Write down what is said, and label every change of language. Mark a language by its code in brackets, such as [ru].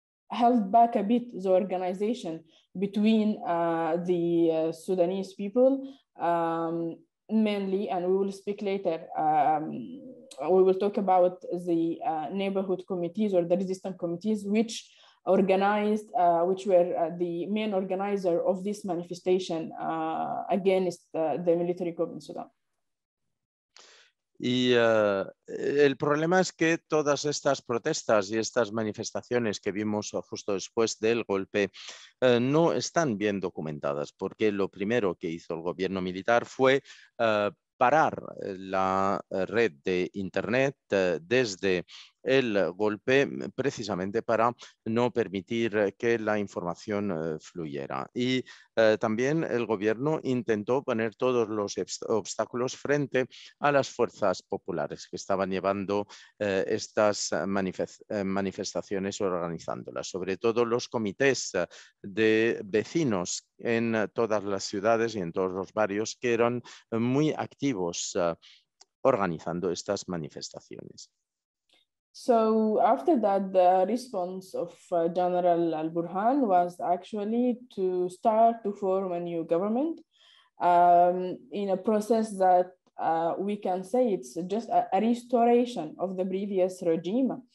[en] held back a bit the organization between the Sudanese people, mainly, and we will speak later. We will talk about the neighborhood committees or the resistance committees, which organized, which were the main organizer of this manifestation against the military coup in Sudan. [es] Y el problema es que todas estas protestas y estas manifestaciones que vimos justo después del golpe no están bien documentadas, porque lo primero que hizo el gobierno militar fue parar la red de internet desde el golpe, precisamente para no permitir que la información fluyera. Y también el gobierno intentó poner todos los obstáculos frente a las fuerzas populares que estaban llevando estas manifestaciones o organizándolas, sobre todo los comités de vecinos en todas las ciudades y en todos los barrios que eran muy activos organizando estas manifestaciones. [en] So after that, the response of General al-Burhan was actually to start to form a new government in a process that we can say it's just a restoration of the previous regime.